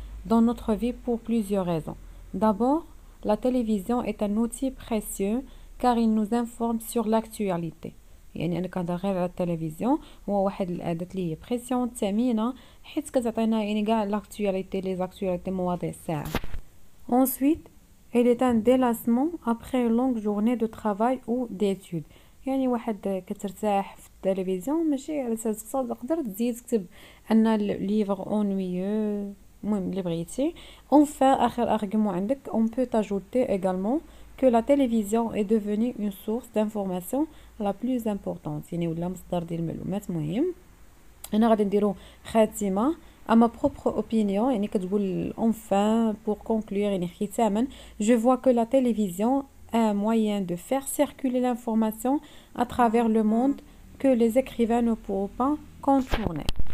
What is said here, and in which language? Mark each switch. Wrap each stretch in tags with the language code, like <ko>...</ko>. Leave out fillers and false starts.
<fr>dans notre vie pour plusieurs raisons، d'abord la télévision est un outil précieux car il nous informe sur l'actualité،</fr> <ar>يعني انا كنهضر غير على التلفزيون، هو واحد الاداه اللي هي بريسيون ثمينه حيت كتعطينا يعني كاع لاكتواليتي لي زاكتواليتي مواضيع الساعه.</ar> <fr>Ensuite, elle est un délassement après une longue journée de travail ou d'études.</fr> <ar>يعني واحد كترتاح في التلفزيون ماشي على اساس تقدر تزيد تكتب ان ليفر اونويو، المهم اللي بغيتي.</ar> <fr>Enfin,</fr> <ar>اخر</ar> <fr>argument</fr> <ar>عندك،</ar> <fr>on peut ajouter également que la télévision est devenue une source d'information la plus importante.</fr> <ar>يعني ولا مصدر ديال المعلومات مهم. هنا غادي نديرو خاتمه</ar> <fr>à ma propre opinion،</fr> <ar>يعني كتقول</ar> <fr>enfin pour conclure،</fr> <ar>يعني ختاما،</ar> <fr>je vois que la télévision est un moyen de faire circuler l'information à travers le monde que les écrivains ne pourront pas contourner.</fr>